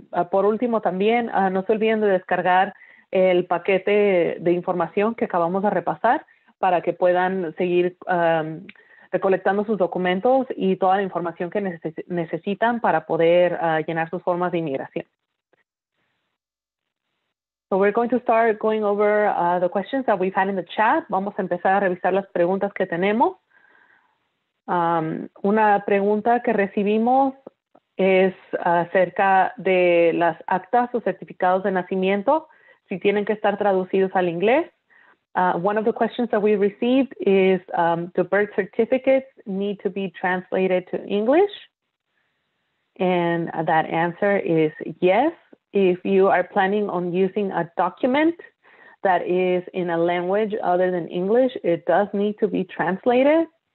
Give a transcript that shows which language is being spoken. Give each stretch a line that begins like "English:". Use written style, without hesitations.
Spanish: Por último, también no se olviden de descargar el paquete de información que acabamos de repasar para que puedan seguir recolectando sus documentos y toda la información que necesitan para poder llenar sus formas de inmigración.
English: So we're going to start going over the questions that we've had in the chat.
Spanish: Vamos a empezar a revisar las preguntas que tenemos. Una pregunta que recibimos es acerca de las actas o certificados de nacimiento, si tienen que estar traducidos al inglés.
English: One of the questions that we received is, do birth certificates need to be translated to English? And that answer is yes. If you are planning on using a document that is in a language other than English, it does need to be translated.